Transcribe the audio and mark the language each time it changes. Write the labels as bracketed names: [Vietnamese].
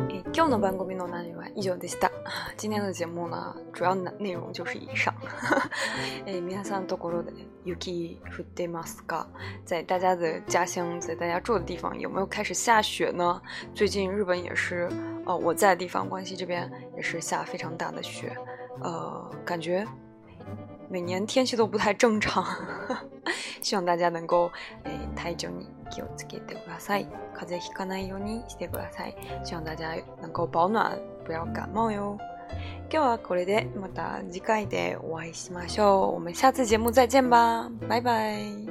[Japanese] 今日の番組の内容は以上でした。 [Chinese] 今天の节目呢，主要的内容就是以上。 [Japanese] 皆さんところで雪降ってますか？ [Chinese] 在大家的家乡，在大家住的地方，有没有开始下雪呢？最近日本也是，我在的地方关西这边也是下非常大的雪，感觉每年天气都不太正常。希望大家能够， [Japanese] 体調に気をつけてください。風邪ひかないようにしてください。 [Chinese] 希望大家能够保暖，不要感冒哟。 [Japanese] 今日はこれでまた次回でお会いしましょう。 [Chinese] 我们下次节目再见吧，拜拜。